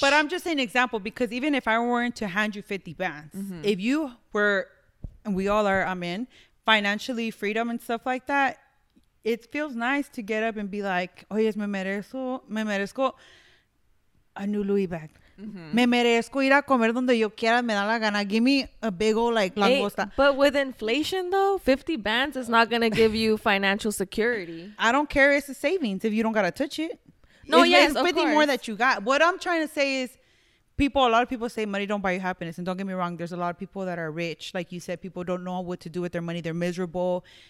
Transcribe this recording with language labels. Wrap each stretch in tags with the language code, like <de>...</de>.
<en>But I'm just an example, because even if I weren't to hand you 50 bands, mm-hmm, if you were, and we all are, I'm in, financially freedom and stuff like that, it feels nice to get up and be like,</en> <es>oye, me merezco</es> <en>a new Louis bag. Mm-hmm.</en> <es>Me merezco ir a comer donde yo quiera, me da la gana.</es> <en>Give me a big old, like, langosta. Hey, but with inflation, though, 50 bands is not going to give you financial security. I don't care. It's a savings if you don't got to touch it. No, it's, yes, it's of course. More that you got. What I'm trying to say is, people, a lot of people say money don't buy you happiness. And don't get me wrong, there's a lot of people that are rich. Like you said, people don't know what to do with their money. They're miserable.</en>